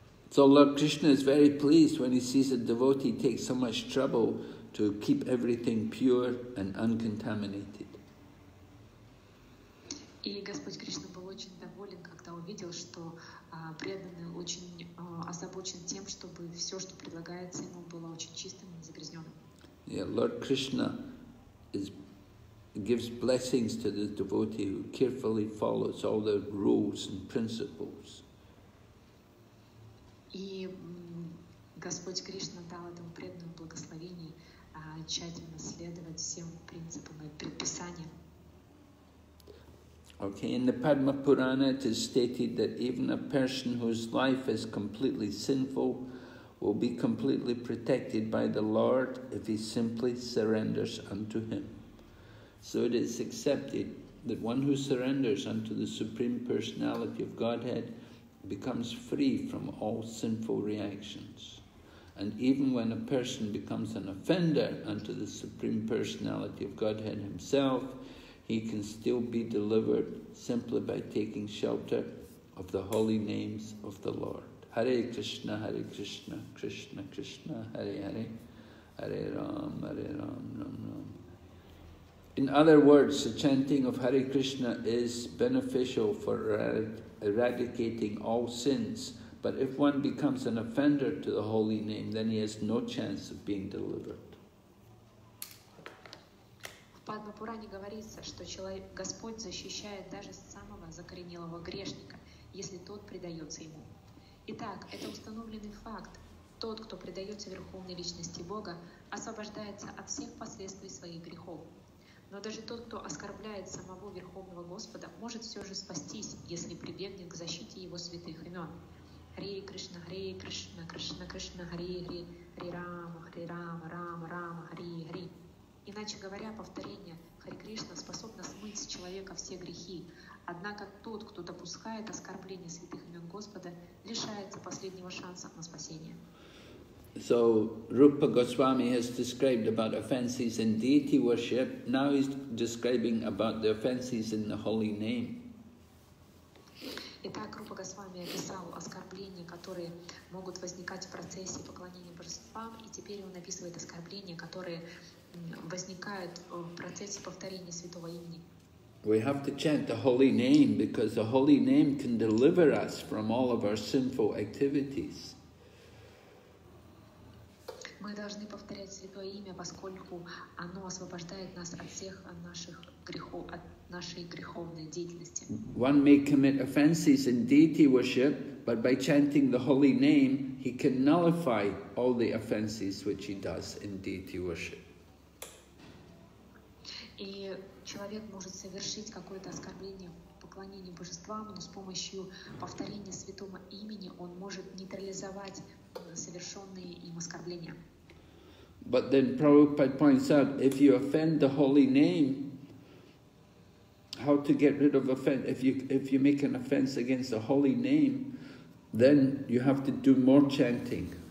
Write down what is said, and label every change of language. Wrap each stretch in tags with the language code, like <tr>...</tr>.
<en>So Lord Krishna is very pleased when he sees a devotee take so much trouble to keep everything pure and uncontaminated.</en> <ru>И Господь Кришна был очень доволен, когда увидел, что преданный очень озабочен тем, чтобы все, что предлагается ему, было очень чистым и незагрязненным.</ru> <en>Yeah, Lord Krishna gives blessings to the devotee who carefully follows all the rules and principles.</en> <ru>И Господь Кришна дал этому преданному благословение тщательно следовать всем принципам и предписаниям.</ru> <en>Okay, in the Padma Purana it is stated that even a person whose life is completely sinful will be completely protected by the Lord if he simply surrenders unto him. So it is accepted that one who surrenders unto the Supreme Personality of Godhead becomes free from all sinful reactions. And even when a person becomes an offender unto the Supreme Personality of Godhead himself, he can still be delivered simply by taking shelter of the holy names of the Lord.</en> <sa>Hare Krishna, Hare Krishna, Krishna Krishna, Hare Hare, Hare Ram, Hare Ram, Ram Ram.</sa> <en>In other words, the chanting of Hare Krishna is beneficial for eradicating all sins, but if one becomes an offender to the holy name, then he has no chance of being delivered.</en> <ru>В Падмапуране говорится, что Господь защищает даже самого закоренелого грешника, если тот предается ему. Итак, это установленный факт. Тот, кто предается Верховной Личности Бога, освобождается от всех последствий своих грехов. Но даже тот, кто оскорбляет самого Верховного Господа, может все же спастись, если прибегнет к защите его святых имен.</ru> <sa>Хрея Кришна, Хрея Кришна, Кришна Кришна, Хрея Хри, Хри Рама, Хри Рама, Рама Рама, Хрея Хри.</sa> <ru>Иначе говоря, повторение «Хари Кришна» способно смыть с человека все грехи. Однако тот, кто допускает оскорбление святых имен Господа, лишается последнего шанса на спасение.</ru> <en>So, Rupa Goswami has described about offenses in deity worship. Now he's describing about the offenses in the holy name.</en> <ru>Итак, Рупа Госвами описал оскорбления, которые могут возникать в процессе поклонения божествам, и теперь он описывает оскорбления, которые возникают в процессе повторения святого имени.</ru> <en>We have to chant the holy name because the holy name can deliver us from all of our sinful activities.</en> <ru>Мы должны повторять святое имя, поскольку оно освобождает нас от всех наших грехов, от нашей греховной деятельности.</ru> <en>One may commit offenses in deity worship, but by chanting the holy name, he can nullify all the offenses which he does in deity worship.</en> <ru>И человек может совершить какое-то оскорбление в поклонении божествам, но с помощью повторения святого имени он может нейтрализовать совершенные им оскорбления.</ru> <en>But then Prabhupada points out, if you offend the holy name, how to get rid of offense? If you make an offense against the holy name, then you have to do more chanting.</en>